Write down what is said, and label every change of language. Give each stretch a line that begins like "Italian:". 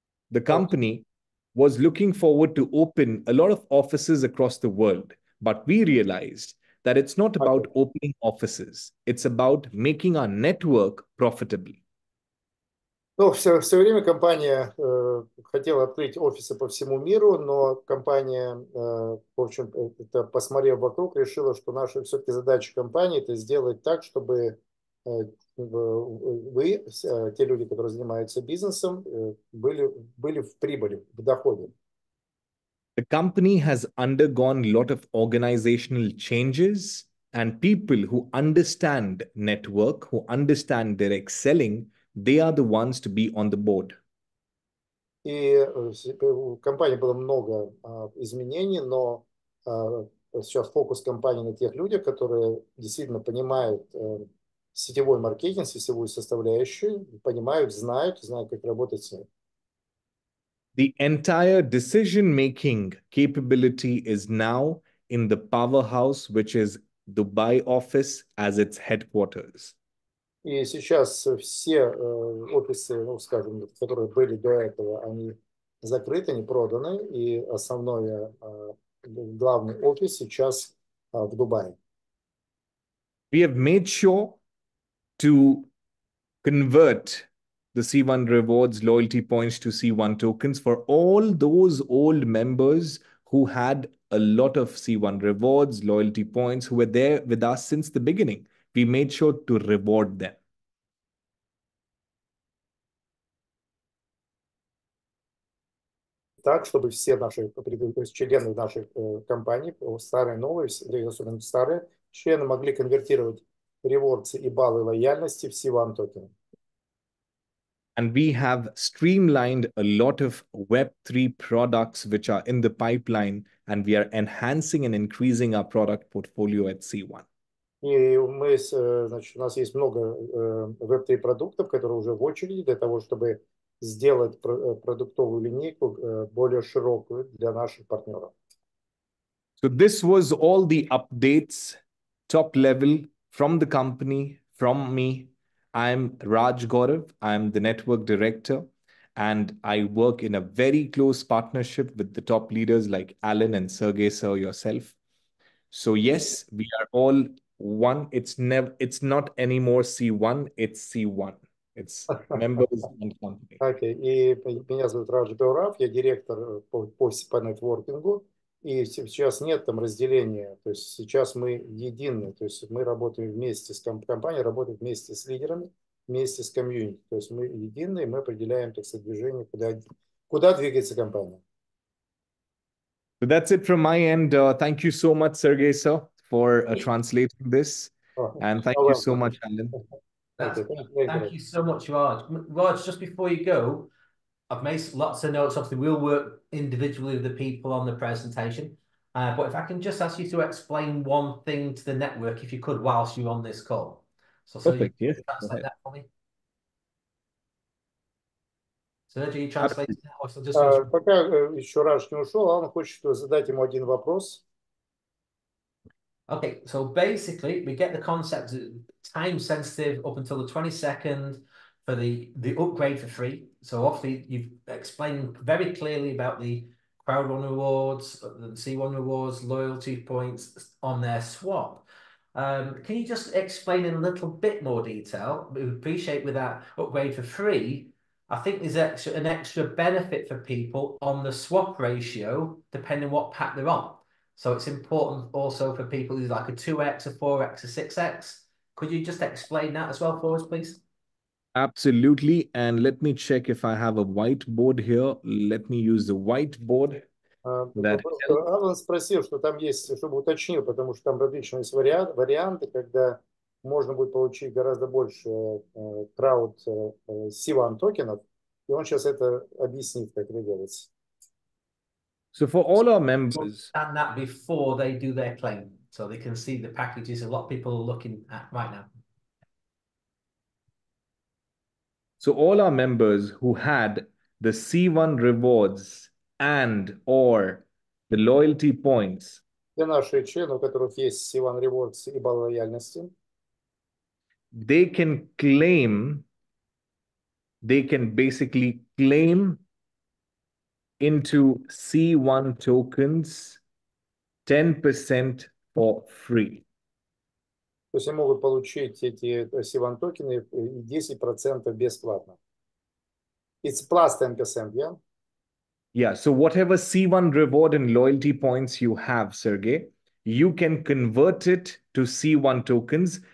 English: The company was looking forward to open a lot of offices across the world, but we realized that it's not about opening offices, it's about making our network profitably.
Russian: Ну, все время компания хотела открыть офисы по всему миру, но компания, в общем, это посмотрев вокруг, решила, что наша все-таки задача компании это сделать так, чтобы вы, те люди, которые занимаются бизнесом, были в прибыли, в доходе.
English: The company has undergone a lot of organizational changes And people who understand network, who understand direct selling, they are the ones to be on the board.
Russian: И у компании было много изменений, но сейчас фокус компании на тех людях, которые действительно понимают сетевой маркетинг, сетевую составляющую, понимают, знают, как работать с ней.
English: The entire decision-making capability is now in the powerhouse, which is Dubai office as its headquarters.
Russian: И сейчас все офисы, ну, скажем, которые были до этого, они закрыты, они проданы, и основной главный офис сейчас в Дубае.
English: We have made sure to convert the C1 rewards loyalty points to C1 tokens for all those old members who had a lot of C1 rewards, loyalty points, who were there with us since the beginning. We made sure to reward them.
Russian: Так, чтобы все наши члены нашей компании, старые, новые, особенно старые, члены могли конвертировать ревордсы и баллы лояльности в C1 токены.
English: And we have streamlined a lot of Web3 products which are in the pipeline, and we are enhancing and increasing our product portfolio at C1.
Russian: И мы, значит, у нас есть много Web3 продуктов, которые уже в очереди для того, чтобы сделать продуктовую линейку более широкую для наших партнеров.
English: So this was all the updates, top level, from the company, from me. I'm Raj Gaurav. I'm the network director, and I work in a very close partnership with the top leaders like Alan and Sergey, sir, yourself. So yes, we are all one. It's not anymore C1. It's C1. It's members and company. Okay.
Russian: И меня зовут Раджи Беурав. Я директор по нетворкингу. И сейчас нет там разделения, то есть сейчас мы едины, то есть мы работаем вместе с компанией, работаем вместе с лидерами, вместе с комьюнити, то есть мы едины, мы определяем, так сказать, движение, куда двигается компания.
English: So that's it from my end. Thank you so much, Sergey, sir, for translating this. And thank you so much, Alan. Thank you so much, Raj. Raj, just before you go, I've made lots of notes. Obviously, we'll work individually with the people on the presentation. But if I can just ask you to explain one thing to the network, if you could, whilst you're on this call. So, Perfect, that for me. Sergio, are you translating that? Or just
Russian: пока еще раз не ушел, он хочет задать ему один вопрос.
English: Okay, so basically, we get the concept time-sensitive up until the 22nd. For the upgrade for free. So obviously you've explained very clearly about the crowdrun rewards, the C1 rewards, loyalty points on their swap. Can you just explain in a little bit more detail? We appreciate with that upgrade for free, I think there's an extra benefit for people on the swap ratio, depending what pack they're on. So it's important also for people who's like a 2x, a 4x, a 6x. Could you just explain that as well for us, please? Absolutely. And let me check if I have a whiteboard here. Let me use the whiteboard.
Russian: Алан спросил, что там есть, чтобы уточнил, потому что там различные варианты, когда можно будет получить гораздо больше крауд C1 токенов. И он сейчас это объяснит, как это делается.
English: So for all our members... And that before they do their claim. So they can see the packages a lot of people are looking at right now. So all our members who had the C1 rewards and or the loyalty points.
Russian: Для наших членов, у которых есть C1 rewards и баллы лояльности.
English: They can claim, they can basically claim into C1 tokens 10% for free.
Russian: То есть они могут получить эти C1 токены 10% бесплатно.
English: It's plus 10%, yeah? Yeah, so whatever C1 reward and loyalty points you have, Sergey, you can convert it to C1 tokens.